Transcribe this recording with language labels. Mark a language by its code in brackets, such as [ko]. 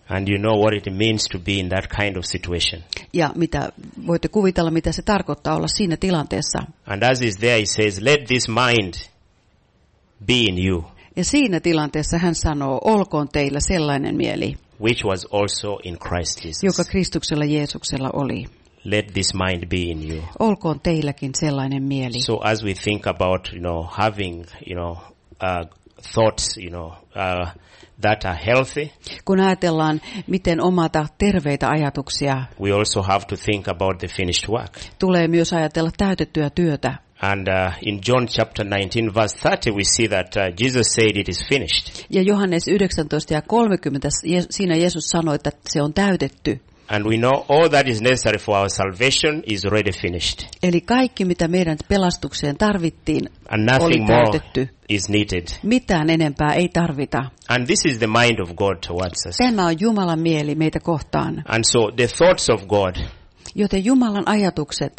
[en] And you know what it means to be in that kind of situation. [fi] Ja mitä voitte kuvitella, mitä se tarkoittaa olla siinä tilanteessa. [en] And as is there, he says, let this mind be in you. [fi] Ja siinä tilanteessa hän sanoo, olkoon teillä sellainen mieli, [en] which was also in Christ Jesus. [fi] Joka Kristuksella Jeesuksella oli. [en] Let this mind be in you. [fi] Olkoon teilläkin sellainen mieli. [en] So as we think about, you know, having, you know, thoughts, you know, that are healthy. [fi] Kun ajatellaan, miten omata terveitä ajatuksia. [en] We also have to think about the finished work. [fi] Tulee myös ajatella täytettyä työtä. [en] And in John chapter 19 verse 30 we see that Jesus said it is finished. [fi] Ja Johannes 19:30 siinä Jeesus sanoi, että se on täytetty. [en] And we know all that is necessary for our salvation is already finished. [fi] Eli kaikki mitä meidän pelastukseen tarvittiin oli täytetty. [en] Is needed. [fi] Mitään enempää ei tarvita. [en] And this is the mind of God towards us. [fi] Tämä on Jumalan mieli meitä kohtaan. [en] And so the thoughts of God. [fi] Joten Jumalan ajatukset